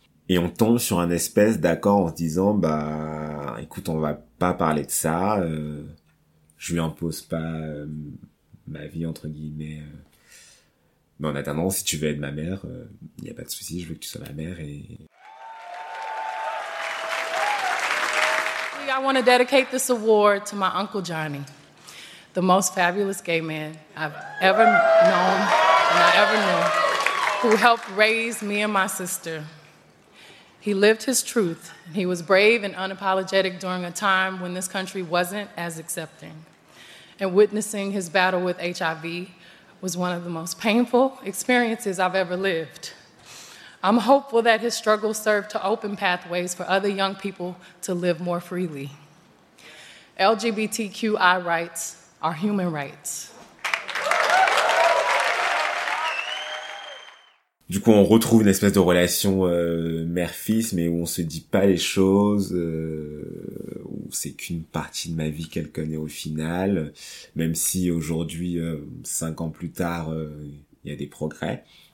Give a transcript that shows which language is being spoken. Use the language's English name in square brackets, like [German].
[French] Et on tombe sur un espèce d'accord en se disant, bah écoute, on va pas parler de ça, je lui impose pas ma vie entre guillemets, mais en attendant, si tu veux être ma mère, il n'y a pas de souci, je veux que tu sois ma mère. Et [English] I want to dedicate this award to my Uncle Johnny, the most fabulous gay man I've ever known and I ever knew, who helped raise me and my sister. He lived his truth. And he was brave and unapologetic during a time when this country wasn't as accepting. And witnessing his battle with HIV was one of the most painful experiences I've ever lived. I'm hopeful that his struggle served to open pathways for other young people to live more freely. LGBTQI rights are human rights. [French] Du coup, on retrouve une espèce de relation mère-fils, mais où on se dit pas les choses, où c'est qu'une partie de ma vie qu'elle connaît au final, même si aujourd'hui, 5 ans plus tard, il y a des progrès.